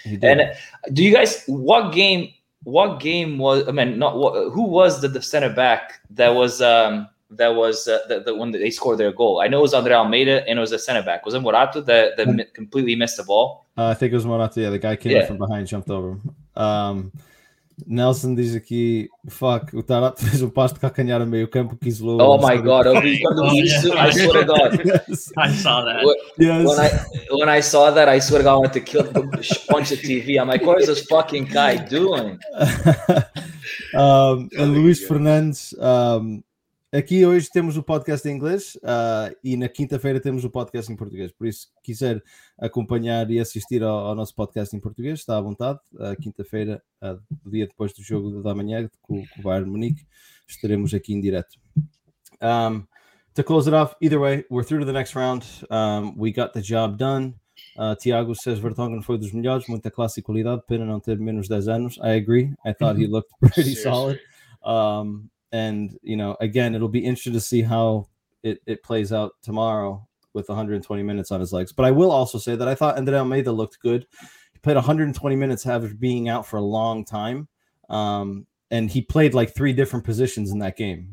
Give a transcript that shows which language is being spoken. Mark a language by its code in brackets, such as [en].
[en] And do you guys who was the center back that was when they scored their goal? I know it was André Almeida, and it was a center back. Was it Morato that completely missed the ball? I think it was Morato. Yeah, the guy came in from behind, jumped over him. [pt] Nelson diz aqui, fuck, o Tarap fez um passo de calcanhar no meio campo que isolou. [en] Oh my god, [pt] quando vi isso, [en] I swear to god. Yes. I saw that. When I saw that, I swear to god, I went to kill the punch of TV. I'm like, what is this fucking guy doing? [pt] and Luis Fernandes, aqui hoje temos o podcast em inglês e na quinta-feira temos o podcast em português. Por isso, se quiser acompanhar e assistir ao nosso podcast em português, está à vontade. Quinta-feira, dia depois do jogo da manhã com o Bayern Munique, estaremos aqui em direto. [en] To close it off, either way, we're through to the next round. We got the job done. Tiago says [pt] Vertonghen foi dos melhores, muita classe e qualidade, pena não ter menos 10 anos. [en] I agree. I thought he looked pretty solid. And, you know, again, it'll be interesting to see how it plays out tomorrow with 120 minutes on his legs. But I will also say that I thought André Almeida looked good. He played 120 minutes after being out for a long time. And he played like three different positions in that game.